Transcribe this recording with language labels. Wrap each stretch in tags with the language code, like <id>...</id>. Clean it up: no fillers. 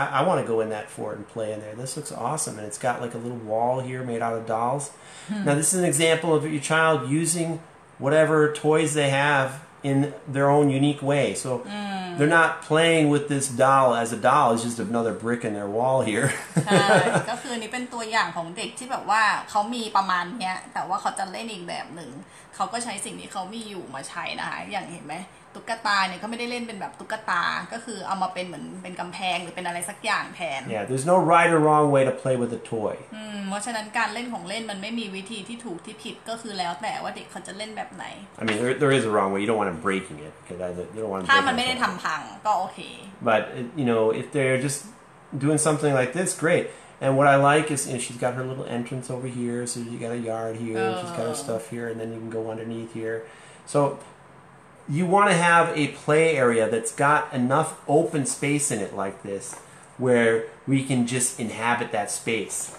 <en>I want to go in that fort and play in there. This looks awesome. And it's got like a little wall here made out of dolls. Now, this is an example of your child using whatever toys they have in their own unique way. So they're not playing with this doll as a doll. It's just another brick in their wall here.</en> <th>ใช่ ก็คือนี่เป็นตัวอย่างของเด็กที่แบบว่าเขามีประมาณเนี้ยแต่ว่าเขาจะเล่นอีกแบบหนึ่งเขาก็ใช้สิ่งที่เขามีอยู่มาใช้นะคะอย่างเห็นไหมตุ๊กตาเนี่ยก็ไม่ได้เล่นเป็นแบบตุ๊กตาก็คือเอามาเป็นเหมือนเป็นกำแพงหรือเป็นอะไรสักอย่างแทน</th> <en>Yeah, there's no right or wrong way to play with a toy.</en> <th>เพราะฉะนั้นการเล่นของเล่นมันไม่มีวิธีที่ถูกที่ผิดก็คือแล้วแต่ว่าเด็กเขาจะเล่นแบบไหน</th> <en>I mean there is a wrong way. You don't want them breaking it. You don't want</en> <th>ถ้ามันไม่ได้ทำพังก็โอเค</th> <en>But you know if they're just doing something like this, great. And what I like is you know, she's got her little entrance over here. So you got a yard here. She's got her stuff here, and then you can go underneath here. So you want to have a play area that's got enough open space in it like this where we can just inhabit that space.</en>